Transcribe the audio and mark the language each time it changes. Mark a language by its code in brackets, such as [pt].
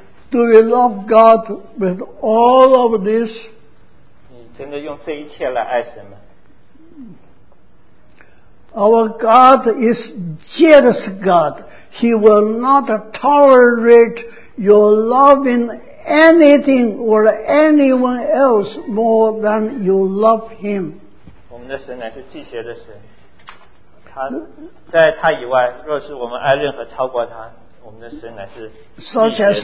[en] Do we love God with all of this? [zh] 你真的用这一切来爱神吗？ [en] Our God is jealous God. He will not tolerate your loving anything or anyone else more than you love Him. [zh] 我们的神乃是忌邪的神，他在他以外，若是我们爱任何超过他，我们的神乃是忌邪的神。 [en] Such